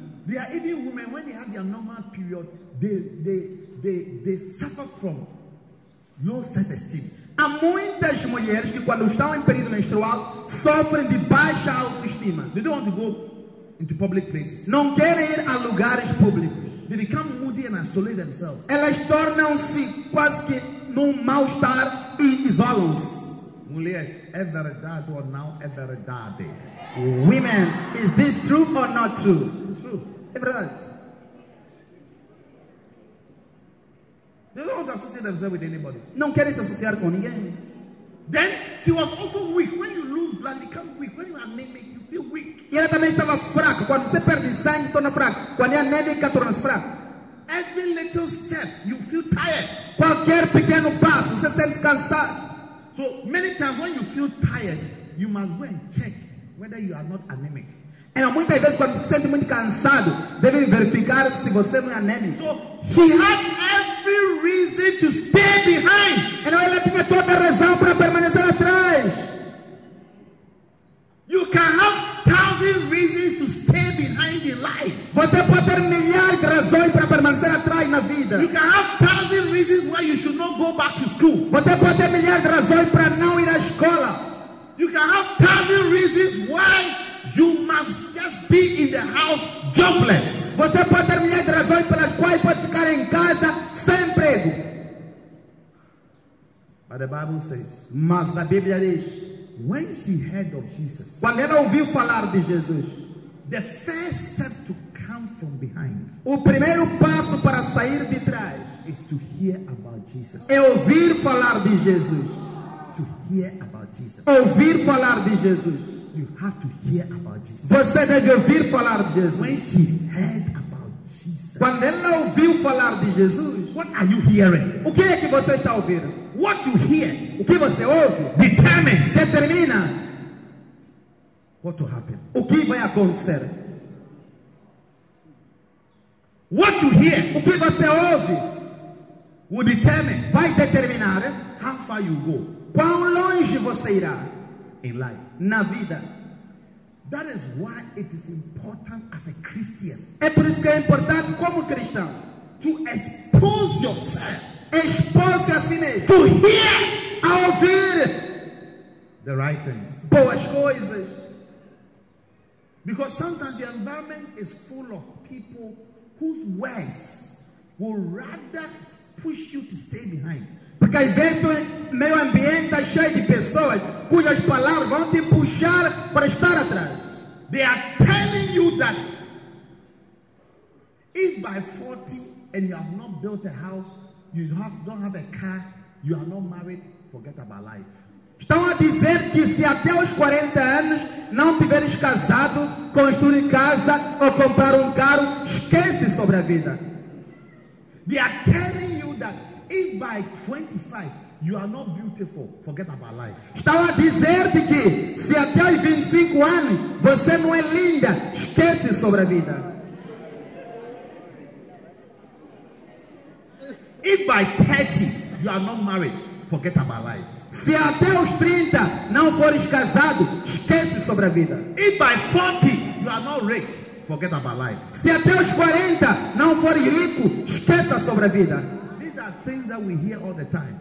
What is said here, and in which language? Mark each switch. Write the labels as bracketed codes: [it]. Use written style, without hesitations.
[en] There are even women when they have their normal period, they suffer from low self-esteem. [pt] Há muitas mulheres que quando estão em período menstrual sofrem de baixa autoestima. [en] They don't want to go into public places. [pt] Não querem ir a lugares públicos. [en] They become moody and isolate themselves. [pt] Elas tornam-se quase que num mau estar e isolam-se. Mulheres, é verdade ou não é verdade? [en] Women, is this true or not true? It's true. [pt] É verdade. [en] They don't associate themselves with anybody. [pt] Não querem se associar com ninguém. [en] Then she was also weak. When you lose blood, you become weak. When you are anemic, you feel weak. [pt] E ela também estava fraca. Quando você perde sangue, torna fraca. Quando é anêmica, torna-se fraca. [en] Every little step, you feel tired. [pt] Qualquer pequeno passo, você sente cansado. [en] So many times when you feel tired, you must go and check whether you are not anemic. [pt] E muitas vezes quando você se sente muito cansado, deve verificar se você não é anêmico. [en] So she had every reason to stay behind. [pt] E não, ela tinha toda a razão para permanecer atrás. [en] You can have thousand reasons to stay behind in life. [pt] Você pode ter milhares de razões para permanecer atrás na vida. [en] You can have thousand reasons why you should not go back to school. [pt] Você pode ter milhares de razões para não ir à escola. [en] You can have thousand reasons why you must just be in the house jobless. [pt] Você pode ter milhares de razões pelas quais pode ficar em casa sem emprego. [en] But the Bible says, [pt] mas a Bíblia diz, [en] when she heard of Jesus, [pt] quando ela ouviu falar de Jesus, [en] the first step to come from behind, [pt] o primeiro passo para sair de trás, [en] is to hear about Jesus. [pt] É ouvir falar de Jesus. [en] To hear about Jesus. [pt] Ouvir falar de Jesus. [en] You have to hear about Jesus. [pt] Você deve ouvir falar de Jesus. [en] When she heard about Jesus. [pt] Quando ela ouviu falar de Jesus. [en] What are you hearing? [pt] O que é que você está ouvindo? [en] What you hear? [pt] O que você ouve? [en] Determines. [pt] Determina. [en] What will happen? [pt] O que vai acontecer? [en] What you hear? [pt] O que você ouve? [en] Will determine. [pt] Vai determinar. [en] How far you go? [pt] Quão longe você irá? [en] In life. [pt] Na vida. [en] That is why it is important as a Christian. [pt] É por isso que é importante como cristão. [en] To expose yourself. [pt] Expose a si mesmo. [en] To hear. [pt] A ouvir. [en] The right things. [pt] Boas coisas. [en] Because sometimes the environment is full of people whose words will rather push you to stay behind. [pt] Porque às vezes o meio ambiente está cheio de pessoas cujas palavras vão te puxar para estar atrás. [en] They are telling you that if by 40 and you have not built a house, you don't have a car, you are not married, forget about life. [pt] Estão a dizer que se até os 40 anos não tiveres casado, construir casa ou comprar carro, esquece sobre a vida. [en] They are telling you that if by 25 You are not beautiful. Forget about life. [pt] Estava a dizer-te que se até aos 25 anos você não é linda, esquece sobre a vida. [en] If by 30 you are not married, forget about life. [pt] Se até os 30 não fores casado, esquece sobre a vida. [en] If by 40 you are not rich, forget about life. [pt] Se até os 40 não fores rico, esqueça sobre a vida. [en] These are things that we hear all the time.